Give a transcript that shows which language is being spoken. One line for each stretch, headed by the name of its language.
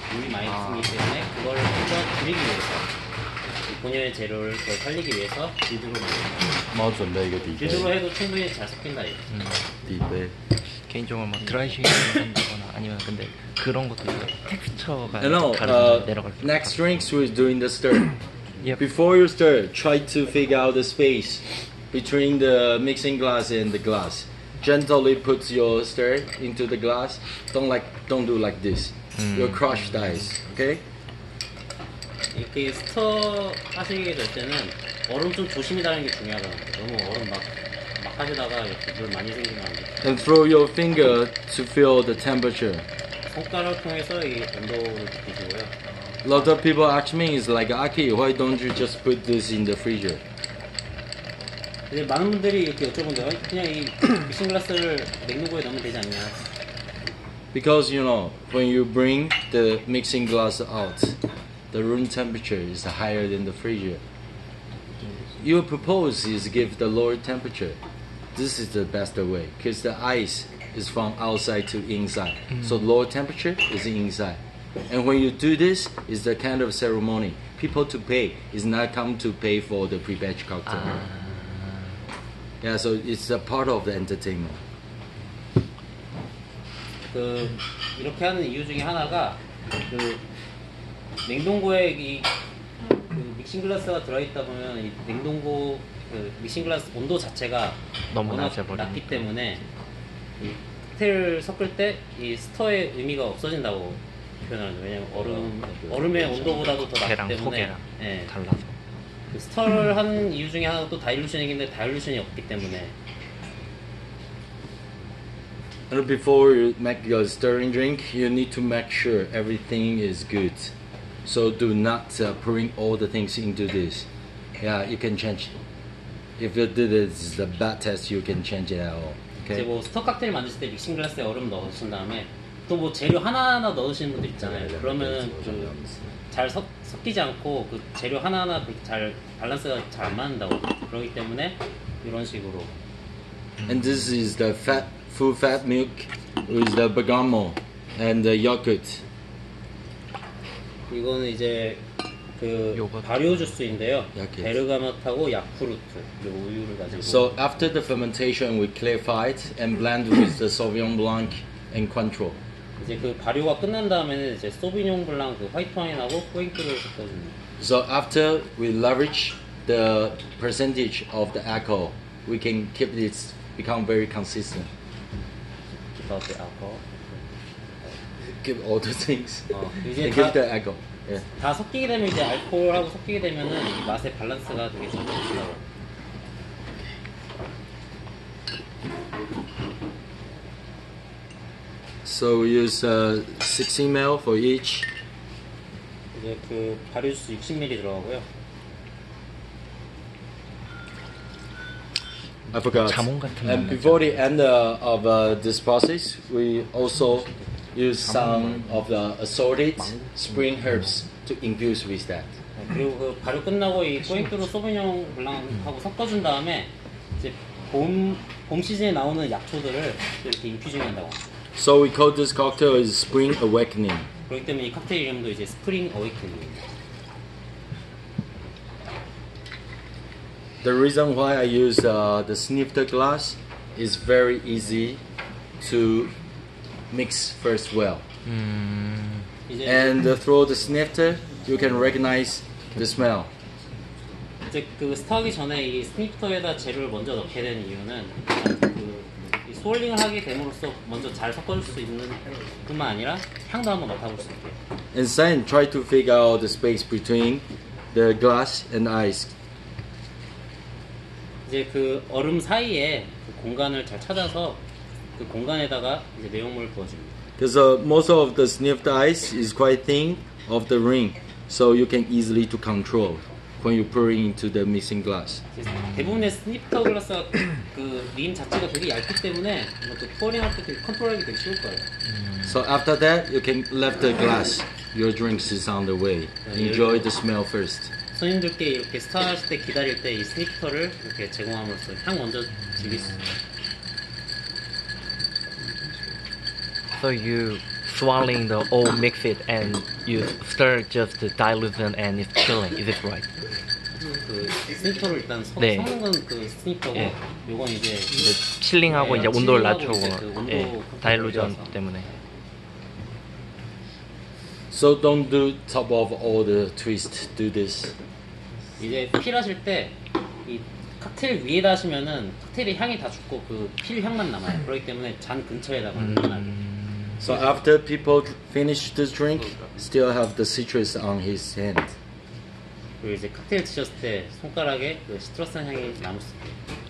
Korean: 물이 많이 쓰기 때문에 그걸 먼저 줄이기 위해서 본연의 재료를 더 살리기 위해서 빌드로 만듭니다. 이거 빌드로 해도 충분히 잘 섞인다 이거. 네. 개인적으로 막 드라이 쉐이킹을 한다거나 아니면 근데 그런 것도 있어요. 텍스처가 내려갈 때.
English: Next drinks we're doing the stir. Yep. Before you stir, try to figure out the space between the mixing glass and the glass. Gently put your stir into the glass. Don't do like this. You'll crush the ice. Okay?
Korean: 이렇게 스터 하시게 될 때는 얼음 좀 조심히 다는 게 중요하다. 너무 얼음 막 하시다가 물 많이 생기면 안 돼.
English: And throw your finger to feel the temperature.
Korean: 손가락 통해서 이 온도를 느끼고요.
English: Lot of people ask me is like, Aki, why don't you just put this in the freezer?
Korean: 이제 많은 분들이 이렇게 여쭤본대요. 그냥 이 미싱글라스를 맥는 거에 넣으면 되지 않냐?
English: Because you know, when you bring the mixing glass out, the room temperature is higher than the fridge. Your propose is give the lower temperature. This is the best way, because the ice is from outside to inside. Mm-hmm. So lower temperature is inside. And when you do this, it's the kind of ceremony. People to pay is not come to pay for the pre-batch cocktail. Yeah, so it's a part of the entertainment.
Korean: 그 이렇게 하는 이유 중에 하나가 그 냉동고에 이 그 믹싱 글라스가 들어 있다 보면 이 냉동고 그 믹싱 글라스 온도 자체가 너무 낮기 때문에 칵테일 섞을 때 이 스터의 의미가 없어진다고 표현하는데 왜냐면 얼음의 온도보다도 더 낮기 때문에 예 달라서 그 스터를 하는 이유 중에 하나가 또 다일루션이긴 한데 다일루션이 없기 때문에.
English: And before you make your stirring drink, you need to make sure everything is good. So do not bring all the things into this. Yeah, you can change. If you do this, the bad test, you can change it at all. Okay.
Korean: 이제 뭐 스터 칵테일 만들 때 믹싱 글라스에 얼음 넣으신 다음에 또 뭐 재료 하나 하나 넣으시는 분들 있잖아요. 그러면은 잘 섞이지 않고 그 재료 하나 하나 잘 밸런스가 잘 안 맞는다고 그러기 때문에 이런 식으로.
English: And this is the fat. Full fat milk with the bergamot and the yogurt.
Korean: 이거는 이제 그 발효 주스인데요. 베르가멋하고 야쿠르트 우유를 가지고.
English: So after the fermentation, we clarified and blend with the Sauvignon Blanc and Cointreau.
Korean: 이제 그 발효가 끝난 다음에는 이제 소비뇽 블랑 그 화이트 와인하고 코인트를 섞어줍니다.
English: So after we leverage the percentage of the alcohol, we can keep it become very consistent. Give all the things. Give the alcohol. Yeah.
Korean: 다 섞이게 되면 이제 알코올하고 섞이게 되면은 맛의 밸런스가 되게 잘 맞죠.
English: So we use 60 ml for each.
Korean: 이제 그 발효 주스 60ml 들어가고요.
English: I forgot. And before the end of this process, we also use some of the assorted spring herbs to infuse with that.
Korean: 그리고 그 발효 끝나고 이 포인트로 소비뇽 블랑하고 섞어준 다음에 이제 봄 시즌에 나오는 약초들을 이렇게 인퓨징한다고.
English: So we call this cocktail is Spring Awakening.
Korean: 그렇기 때문에 이 칵테일 이름도 이제 Spring Awakening.
English: The reason why I use the snifter glass is very easy to mix first well. Mm. And through the snifter, you can recognize the smell.
Korean: 이제 그 스타하기 전에 이 스니프터에다 재료를 먼저 넣게 된 이유는 그 스월링을 하게 됨으로써 먼저 잘 섞어줄 수 있는 뿐만 아니라 향도 한번 맡아볼 수 있게.
English: And then try to figure out the space between the glass and ice.
Korean: 이제 그 얼음 사이에 그 공간을 잘 찾아서 그 공간에다가 이제 내용물을 부어줍니다.
English: Because most of the sniffed ice is quite thin of the ring, so you can easily to control when you pour into the mixing glass.
Korean: 대부분의 스니프터 글라스가 그 림 자체가 되게 얇기 때문에 이것도 pouring 할 때 되게 컨트롤하기 되게 쉬울 거예요.
English: So after that, you can left the glass. Your drinks is on the way. Enjoy the smell first.
Korean: 손님들께 이렇게 스타하실 때 기다릴 때 이 스니프터를 이렇게 제공함으로써 향 먼저 즐길 수 있습니다.
English: So you swirling the all mix it and you stir just the dilution and it's chilling. Is it right?
Korean: 그 스니프터를 일단 섞는 네. 건 그 스니프터고 요건 이제 이제 칠링하고 네, 이제 온도를 낮추고 그 온도 예, 다일루전 때문에.
English: So don't do top of all the twist. Do this.
Korean: 이제 필 하실 때 이 칵테일 위에다 하시면은 칵테일의 향이 다 죽고 그 필 향만 남아요. 그렇기 때문에 잔 근처에다
English: So after people finish this drink, still have the citrus on his hand.
Korean: 그리고 이제 칵테일 드셨을 때 손가락에 그 시트러스 향이 남을 수 있게.